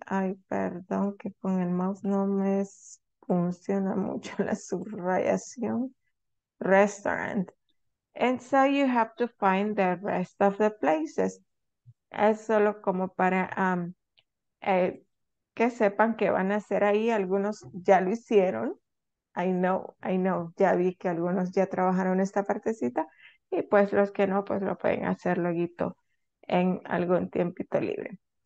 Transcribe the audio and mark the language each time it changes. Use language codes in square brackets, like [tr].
[es] Ay, perdón, que con el mouse no me funciona mucho la subrayación. [en] Restaurant. And so you have to find the rest of the places. [es] Es solo como para que sepan que van a hacer ahí. Algunos ya lo hicieron. [en] I know, [es] ya vi que algunos ya trabajaron esta partecita. Y pues los que no, pues lo pueden hacer luego en algún tiempito libre.